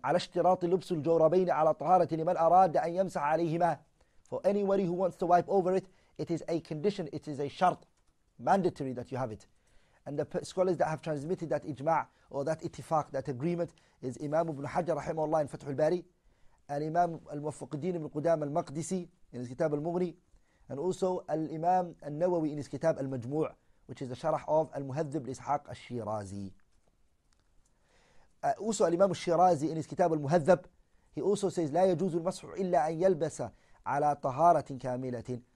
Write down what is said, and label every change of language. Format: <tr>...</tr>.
<ar>على اشتراط لبس الجوربين على طهارة لمن أراد أن يمسح عليهما.</ar> <en>For anybody who wants to wipe over it, it is a condition. It is a shart, mandatory that you have it. And the scholars that have transmitted that ijma' or that ittifaq, that agreement, is Imam Ibn Hajar rahimahullah in Fath al-Bari.</en> <ar>الإمام الموفقدين من قدام المقدسي</ar> <en>in his</en> <ar>كتاب المغني and also الإمام النووي in his كتاب المجموع</ar> <en>which is the</en> <ar>شرح of المهذب لإسحاق الشيرازي also الإمام الشيرازي in his كتاب المهذب he also says لا يجوز المسح إلا أن يلبس على طهارة كاملة.</ar>